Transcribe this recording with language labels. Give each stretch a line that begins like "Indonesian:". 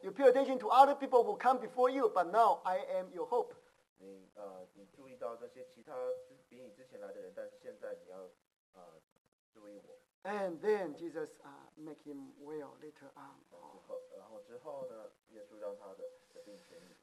English: You pay attention to other people who come before you, but now I am your hope.
Chinese: 你注意到这些其他比你之前来的人，但是现在你要注意我。
English: And then Jesus make him well later on.
Chinese: 然后之后呢，耶稣让他的病痊愈。